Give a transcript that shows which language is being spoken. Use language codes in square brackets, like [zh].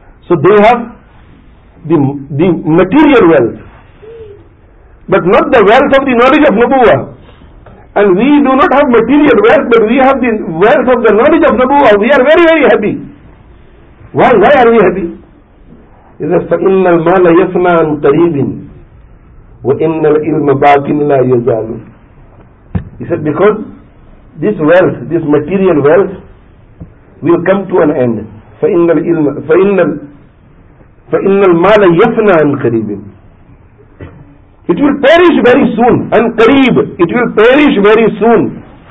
[en] So they have the material wealth, but not the wealth of the knowledge of Nubuwwah. And we do not have material wealth, but we have the wealth of the knowledge of Nubuwwah. We are very, very happy. Why are we happy? He says, [ar] "فَإِنَّ الْمَالَ يَفْنَى عَنْ قَرِيبٍ وَإِنَّ الْإِلْمَ بَاقٍ لَا يَزَالُ." [en] He said, because this wealth, this material wealth, will come to an end. [ar] فَإِنَّ الْمَالَ يَفْنَى عَنْ قَرِيبٍ. [en] It will perish very soon. [ar] عَنْ قَرِيبٍ. [en] It will perish very soon.